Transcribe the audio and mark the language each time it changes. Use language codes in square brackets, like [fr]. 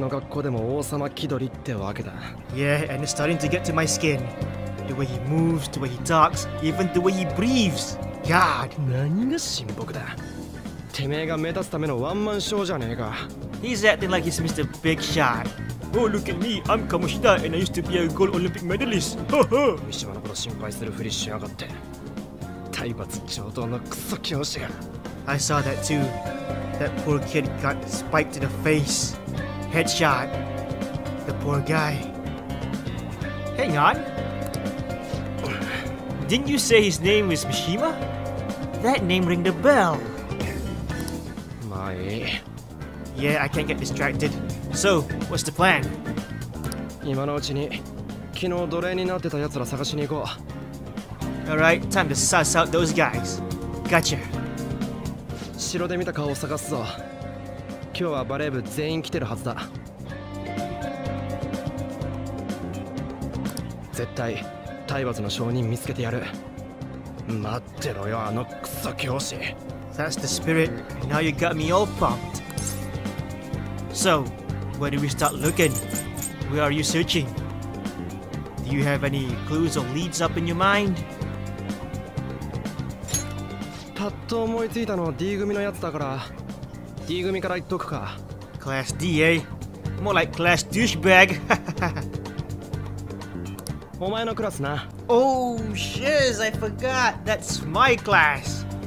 [en] Yeah, and it's starting to get to my skin. The way he moves, the way he talks, even the way he breathes. God! [ja] 何が親睦だ。てめえが目立つためのワンマンショーじゃねえか。 [en] He's acting like he's Mr. Big Shot. Oh, look at me. I'm Kamoshida, and I used to be a gold Olympic medalist. [ja] ミシマのこと心配するふりしやがって。体罰調等のクソ教師が。 [en] I saw that too. That poor kid got spiked in the face. Headshot. The poor guy. Hang on. Didn't you say his name was Mishima? That name ring the bell. My. Yeah, I can't get distracted. So, what's the plan? [ja] 今のうちに昨日奴隷になってた奴ら探しに行こう。 [en] All right, time to suss out those guys. Gotcha. [ja] 城で見た顔を探すぞ。今日はバレー部全員来てるはずだ。絶対体罰の証人見つけてやる。待ってろよ、あのクソ教師。 [en] That's the spirit. Now you got me all pumped. So, where do we start looking? Where are you searching? Do you have any clues or leads up in your mind? [ja] パッと思いついたの D 組のやつだから、D 組から言っとくか。 [en] Class D, eh? More like Class Douchebag. [ja] お前のクラスな。 [en] Oh, shiz, I forgot. That's my class.